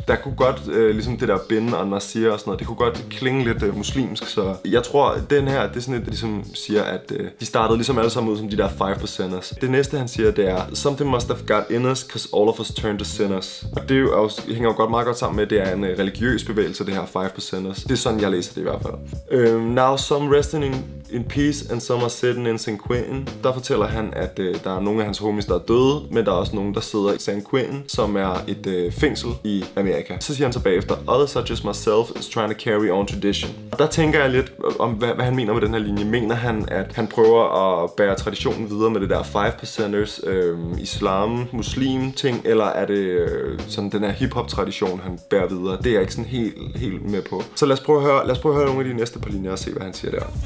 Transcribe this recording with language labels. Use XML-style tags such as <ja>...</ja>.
<da>Der kunne godt, ligesom det der bin og Nasir og sådan noget, det kunne godt klinge lidt muslimsk, så jeg tror, den her, det er sådan et, ligesom siger, at de startede ligesom alle sammen ud som de der 5%ers. Det næste, han siger, det er,</da> <en>something must have got in us, cause all of us turned to sinners.</en> <da>Og det er jo også, hænger jo godt meget godt sammen med, det er en religiøs bevægelse, det her 5%ers. Det er sådan, jeg læser det i hvert fald.</da> <en>Now some resting in peace, and some are sitting in San Quentin.</en> <da>Der fortæller han, at der er nogle af hans homies, der er døde, men der er også nogen, der sidder i San Quentin, som er et fængsel i Amerika. Så siger han så bagefter,</da> <en>others such as myself is trying to carry on tradition.</en> <da>Og der tænker jeg lidt om, hvad han mener med den her linje. Mener han, at han prøver at bære traditionen videre med det der 5%ers, islam, muslim ting, eller er det sådan den her hiphop-tradition, han bærer videre? Det er jeg ikke sådan helt med på. Så lad os prøve at høre nogle af de næste par linjer og se, hvad han siger der.</da>